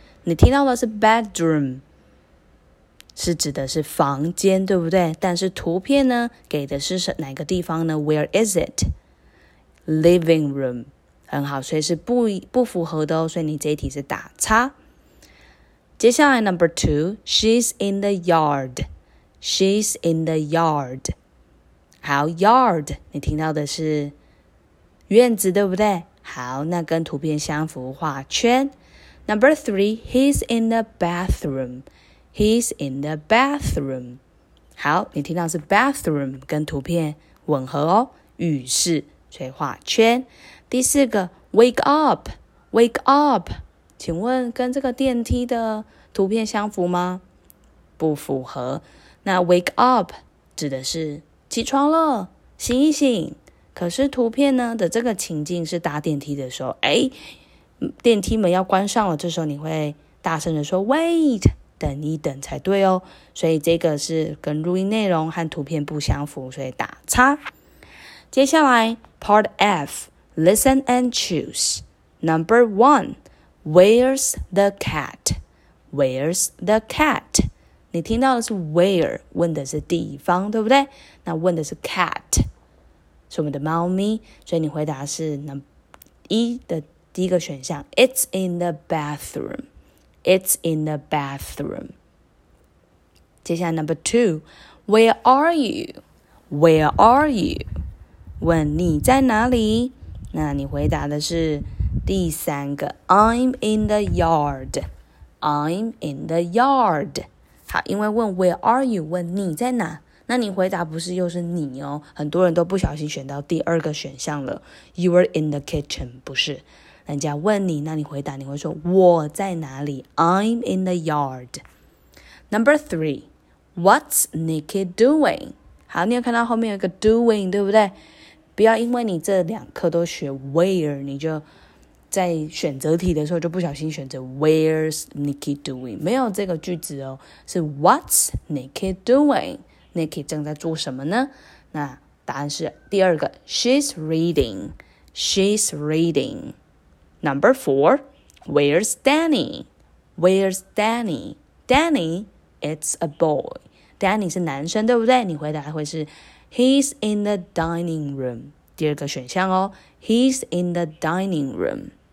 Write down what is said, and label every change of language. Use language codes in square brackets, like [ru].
[zh] 你听到的是 bedroom，是指的是房间，对不对？但是图片呢，给的是哪个地方呢？ [en] Where is it? Living room. [zh] 很好，所以是 不符合的哦，所以你这一题是打叉。接下来 [en] number two, she's in the yard. She's in the yard. [zh] 好， yard, 你听到的是院子，对不对？好，那跟图片相符，画圈。 [en] Number three, he's in the bathroom. He's in the bathroom. [zh] 好，你听到是 bathroom 跟图片吻合哦，浴室，所以画圈。第四个 [en] wake up, wake up. [zh] 请问跟这个电梯的图片相符吗？不符合。那 wake up 指的是起床了，醒一醒。可是图片呢的这个情境是搭电梯的时候，哎，电梯门要关上了，这时候你会大声的说 wait. 等一等才对哦，所以这个是跟录音内容和图片不相符，所以打叉。接下来 [en] Part F, Listen and choose. Number 1, Where's the cat? Where's the cat? [zh] 你听到的是 where, 问的是地方，对不对？那问的是 cat, 是我们的猫咪，所以你回答是一的第一个选项， [en] It's in the bathroom. It's in the bathroom. 接下来 number two, Where are you? Where are you? [zh] 问你在哪里？那你回答的是第三个， [en] I'm in the yard. I'm in the yard. [zh] 好，因为问 [en] Where are you? [zh] 问你在哪？那你回答不是又是你哦？很多人都不小心选到第二个选项了。 [en] You were in the kitchen, [zh] 不是。人家问你，那你回答，你会说我在哪里？ [en] I'm in the yard. Number three, What's Nikki doing? [zh] 好，你有看到后面有一个 doing, 对不对？不要因为你这两课都学 where, 你就在选择题的时候就不小心选择 [en] Where's Nikki doing? [zh] 没有这个句子哦，是 [en] What's Nikki doing? [zh] Nikki 正在做什么呢？那答案是第二个， [en] She's reading. She's reading. Number four, where's Danny? Where's Danny? Danny, it's a boy. Danny [zh] 是男生，对不对？你回答会是 [en] He's in the dining room. [zh] 第二个选项哦， [en] He's in the dining room.